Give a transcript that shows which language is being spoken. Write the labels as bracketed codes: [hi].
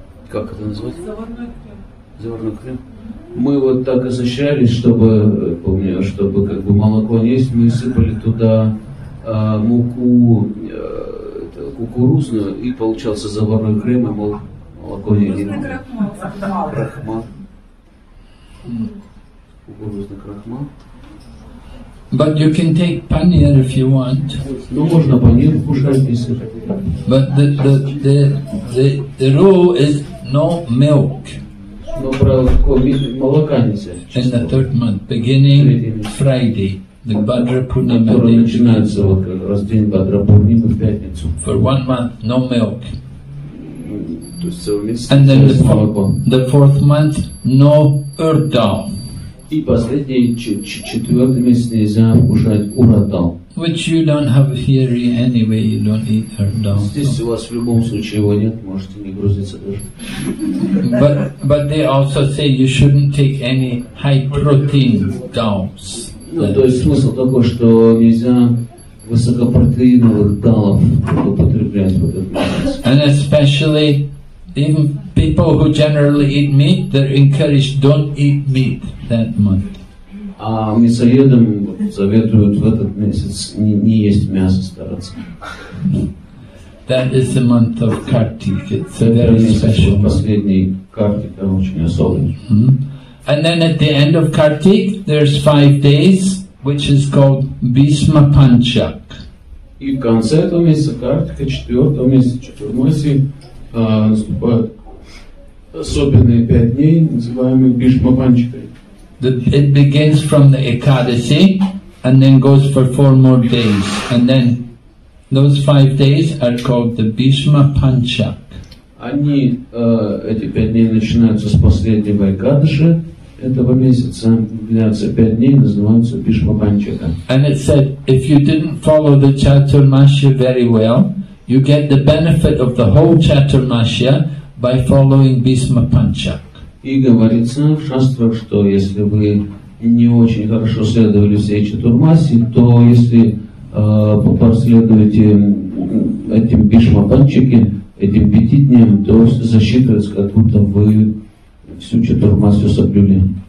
[ru] Как это называется? Заварной крем. Мы вот так изощрялись, чтобы, помню, чтобы как бы молоко не есть, мы сыпали туда муку, кукурузную, и получался заварной крем, и молоко не едино. Кукурузно-крахмал. [en] But you can take paneer if you want. [ru] Ну, можно паньер кушать, если. [en] But the rule is no milk. [ru] Но правило, молока нельзя. [en] In the third month, beginning Friday. The Bhadra Purnima day. [ru] Начинается вот как раз день Бхадра Пурнима в пятницу. [en] For 1 month, no milk. [ru] То есть целый месяц. [en] And then the fourth month, no urdal. [ru] И последний четвертый месяц нельзя кушать урдал. [en] Which you don't have here anyway, you don't eat urdal. [ru] Здесь у вас в любом случае его нет, можете не грузиться даже. [en] But they also say you shouldn't take any high protein dals. [ru] Ну, то есть смысл такой, что нельзя высокопротеиновых далов употреблять в этот месяц. [en] And especially, even people who generally eat meat, they're encouraged don't eat meat that month. [ru] А мясоедам советуют в этот месяц не есть мясо стараться. [en] That is the month of Kartik. It's a very special month. [ru] Последний Kartik, очень особый. [en] And then at the end of Kartik, there's 5 days which is called Bhishma Panchak. [ru] И в конце этого месяца, Картика, 4 месяца, 4 месяца, наступают особенные 5 дней, называемые Бишма Панчакой. [en] It begins from the Ekadasi and then goes for 4 more days. And then those 5 days are called the Бишма Панчак. [ru] Они, эти 5 дней начинаются с последнего Экадаши. Этого месяца длятся 5 дней, называются Бишма Панчака. [en] And it said, if you didn't follow the Chaturmasya very well, you get the benefit of the whole Chaturmasya by following Бишма Панчак. [ru] И говорится в шастрах, что если вы не очень хорошо следовали всей Чатурмасе, то если последуете этим Бишма Панчаке, этим 5 дням, то засчитывается, как будто вы всю Чатурмасу соблюли.